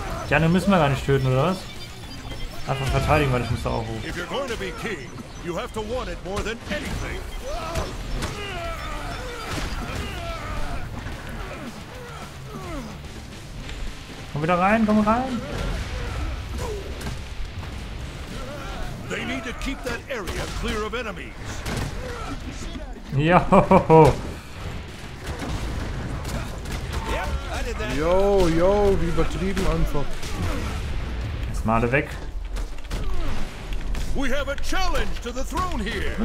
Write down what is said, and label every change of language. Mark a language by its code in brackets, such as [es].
[de] Ja, den müssen wir gar nicht töten, oder was? Einfach verteidigen, weil ich muss da auch hoch. Komm wieder rein, komm rein. [en] They need to keep that area clear of enemies. Yo. [de] Yo, yo, wie übertrieben einfach. Jetzt mal alle weg. [en] We have a challenge to the throne here.